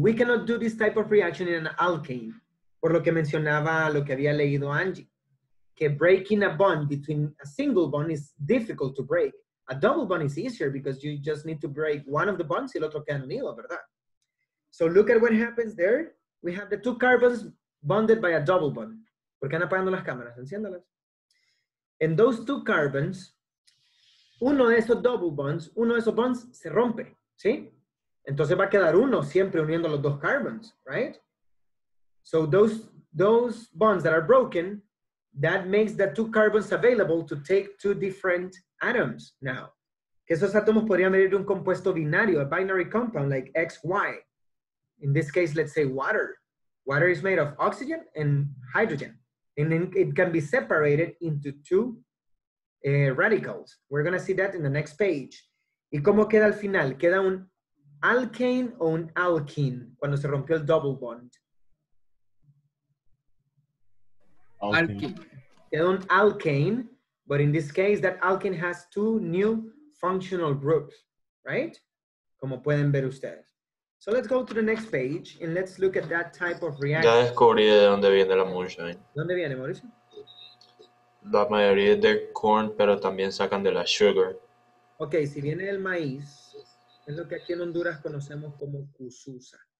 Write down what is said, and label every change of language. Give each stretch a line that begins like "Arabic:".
English: We cannot do this type of reaction in an alkane.
Spanish: Por lo que mencionaba, lo que había leído Angie.
English: Que breaking a bond between a single bond is difficult to break. A double bond is easier because you just need to break one of the bonds
Spanish: y el otro queda unido, ¿verdad?
English: So look at what happens there. We have the two carbons bonded by a double bond.
Spanish: ¿Por qué están apagando las cámaras? Enciéndalas.
English: And those two carbons,
Spanish: uno de esos double bonds, uno de esos bonds se rompe, ¿sí? Entonces va a quedar uno siempre uniendo los dos carbons,
English: right? So those bonds that are broken, that makes the two carbons available to take two different atoms now.
Spanish: Que esos átomos podrían venir de un compuesto binario,
English: a binary compound like XY. In this case, let's say water. Water is made of oxygen and hydrogen. And then it can be separated into two radicals. We're going to see that in the next page.
Spanish: ¿Y cómo queda al final? ¿Queda un alkane o un alkene cuando se rompió el double bond?
English: Alkene.
Spanish: Queda un
English: alkane, but in this case, that alkene has two new functional groups, right?
Spanish: Como pueden ver ustedes.
English: So let's go to the next page and let's look at that type of reaction.
Spanish: Ya descubrí de dónde viene la moonshine. ¿Dónde viene, Mauricio? La mayoría es de corn, pero también sacan de la sugar. Ok, si viene del maíz, es lo que aquí en Honduras conocemos como cuzusa.